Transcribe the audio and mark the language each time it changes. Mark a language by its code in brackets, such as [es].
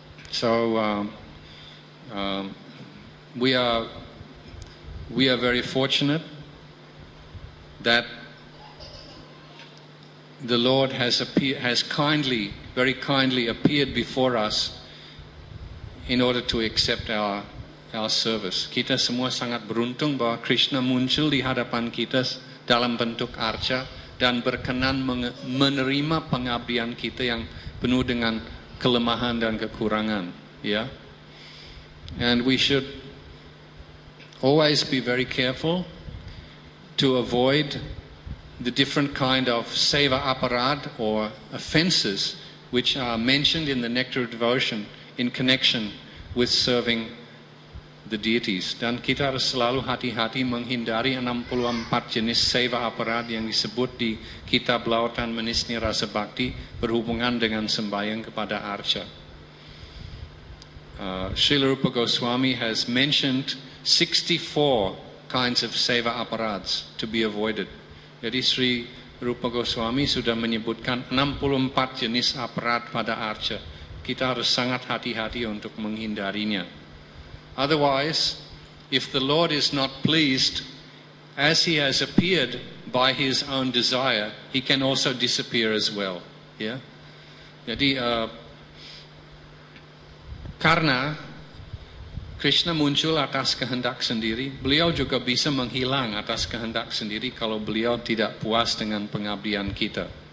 [en] So we are very fortunate that the Lord has very kindly appeared before us in order to accept our service. [id] Kita semua sangat beruntung bahwa Krishna muncul di hadapan kita dalam bentuk arca dan berkenan menerima pengabdian kita yang penuh dengan kelemahan dan kekurangan, ya. [en] And we should always be very careful to avoid the different kind of seva aparad or offenses which are mentioned in the Nectar of Devotion in connection with serving the deities. [id] Dan kita harus selalu hati-hati menghindari 64 jenis seva aparad yang disebut di Kitab Lautan Manisnya Rasa Bhakti berhubungan dengan sembahyang kepada arca. [en] Srila Rupa Goswami has mentioned 64 kinds of seva aparads to be avoided. [id] Jadi Sri Rupa Goswami sudah menyebutkan 64 jenis aparad pada arca. Kita harus sangat hati-hati untuk menghindarinya. [en] Otherwise, if the Lord is not pleased, as he has appeared by his own desire, he can also disappear as well. Yeah. [id] Jadi karena Krishna muncul atas kehendak sendiri, beliau juga bisa menghilang atas kehendak sendiri kalau beliau tidak puas dengan pengabdian kita.